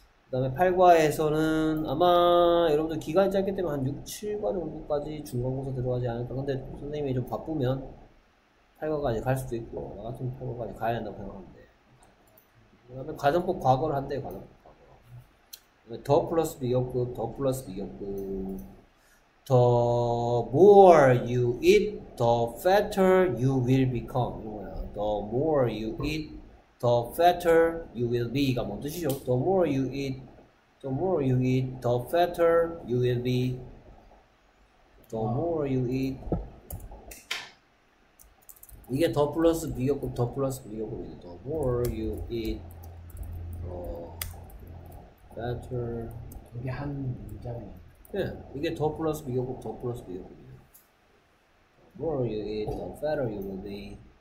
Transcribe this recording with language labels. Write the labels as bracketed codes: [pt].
[ko] 그다음에 8과에서는 아마 여러분들 기간이 짧기 때문에 한 6, 7과 정도까지 중간고사 들어가지 않을까. 근데 선생님이 좀 바쁘면 8과까지 갈 수도 있고 나 같은 8과까지 가야 된다고 생각하는데. 그다음에 가정법 과거를 한대요. 가정법 과거. 더 플러스 비교급, 더 플러스 비교급. [en] The more you eat, the fatter you will become. [ko] 이거야. [en] The more you eat, the fatter you will be가 [ko] 뭔 뜻이죠? [en] The more you eat, the more you eat, the fatter you will be. The more you eat. [ko] 이게 더 플러스 비교급, 더 플러스 비교급이네. [en] The more you eat, better. [ko] 이게 한 문장이네. 이게 더 플러스 비교급, 더 플러스 비교급이네. [en] The more you eat, the fatter you will be.